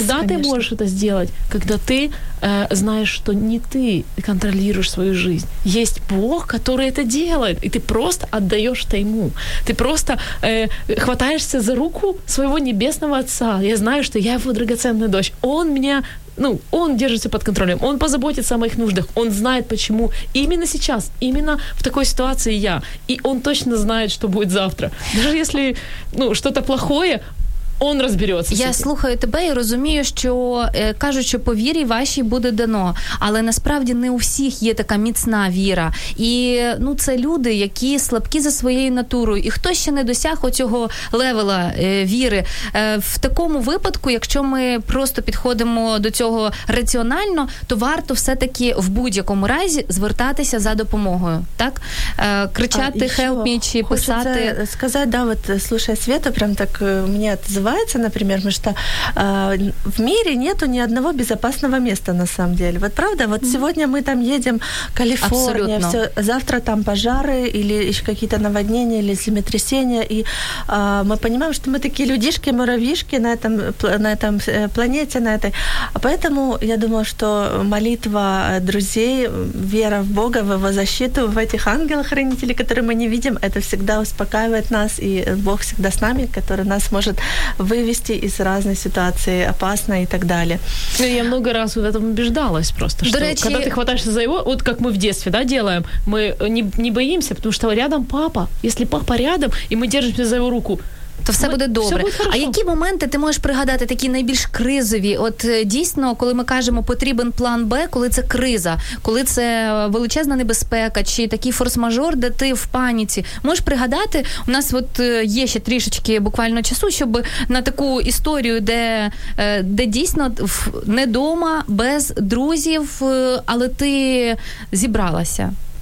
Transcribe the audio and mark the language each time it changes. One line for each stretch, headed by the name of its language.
Ukrainian: тогда ти можеш це зробити, коли ти знаєш, що не ти контролюєш свою життя. Є Бог, який це робить. І ти просто віддаєш це йому. Ти просто хватаєшся за руку свого небесного отця.
Russian: Я знаю, що я його драгоценна дочь.
Ukrainian: Він мене,
Russian: ну, он держится под контролем, он позаботится о моих нуждах, он знает, почему именно сейчас, именно в такой ситуации я, и он точно знает, что будет завтра. Даже если, ну, что-то плохое, он разберется.
Ukrainian: Я слухаю тебе и розумію, що кажуть, що по вірі вашій буде дано, але насправді не у всіх є така міцна віра. І, ну, це люди, які слабкі за своєю натурою, і хто ще не досяг оцього левела віри. В такому випадку, якщо ми просто підходимо до цього раціонально, то варто все-таки в будь-якому разі звертатися за допомогою, так? Кричати
English: help me
Ukrainian: чи писати. Хочу сказати, да, от слухай, Свєта, прям так мені звертається.
Russian: развивается, например, потому что в мире нету ни одного безопасного места на самом деле. Вот правда, вот сегодня мы там едем, Калифорния, все, завтра там пожары или еще какие-то наводнения или землетрясения, и мы понимаем, что мы такие людишки, муравьишки на этом планете, на этой. Поэтому я думаю, что молитва друзей, вера в Бога, в его защиту, в этих ангелов-хранителей, которые мы не видим, это всегда успокаивает нас, и Бог всегда с нами, который нас может вывести из разной ситуации, опасной и так далее. Ну, я много раз в этом убеждалась просто, что когда ты хватаешься за его, вот как мы в детстве, да, делаем, мы не боимся, потому что рядом папа. Если папа рядом, и мы держимся за его руку,
Ukrainian: то все буде добре. Все буде, а які моменти ти можеш пригадати такі найбільш кризові? От дійсно, коли ми кажемо, потрібен план Б, коли це криза, коли це величезна небезпека, чи такий форс-мажор, де ти в паніці. Можеш пригадати, у нас от є ще трішечки буквально часу, щоб на таку історію, де дійсно не дома, без друзів, але ти зібралася.